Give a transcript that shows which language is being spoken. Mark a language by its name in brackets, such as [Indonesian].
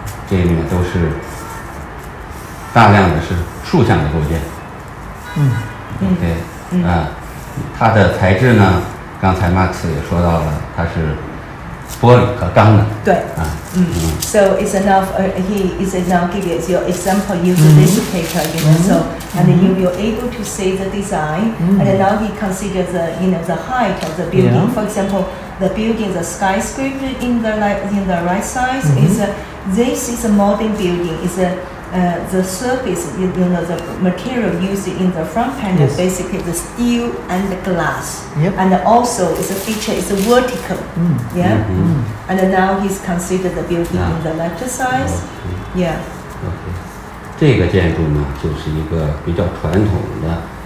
[Chinese] 这里面都是大量的是竖向的构件它的材质呢，刚才 Max 也说到了，它是玻璃和钢的。 [English] 对。So it's enough. He is now give you your example using this paper, you know. So and you will able to see the design. And now he considers the, you know, the height of the building. Yeah. For example, the building, the skyscraper in the right side is this is a modern building. Is the surface, you know, the material used in the front panel, basically the steel and the glass. Yep. And also, it's a feature, it's a vertical. And now he's considered the building in the left side. Okay. [Chinese] 这个建筑呢，就是一个比较传统的，